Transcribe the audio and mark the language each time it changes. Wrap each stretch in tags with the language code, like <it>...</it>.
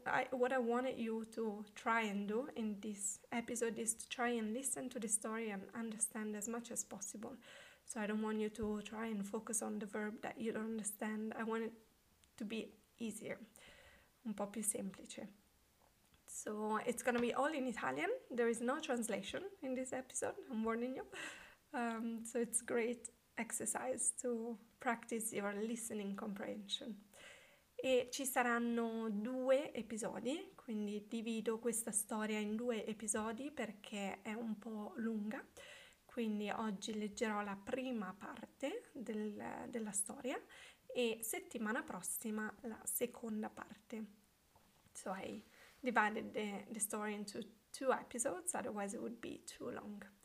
<en>What I wanted you to try and do in this episode is to try and listen to the story and understand as much as possible. So I don't want you to try and focus on the verb that you don't understand. I want it to be easier,</en> <it>un po' più semplice.</it> <en>So it's gonna be all in Italian. There is no translation in this episode, I'm warning you. So it's great exercise to practice your listening comprehension.</en> <it>E ci saranno due episodi, quindi divido questa storia in due episodi perché è un po' lunga. Quindi oggi leggerò la prima parte della storia e settimana prossima la seconda parte.</it> <en>So I divided the story into two episodes, otherwise it would be too long.</en>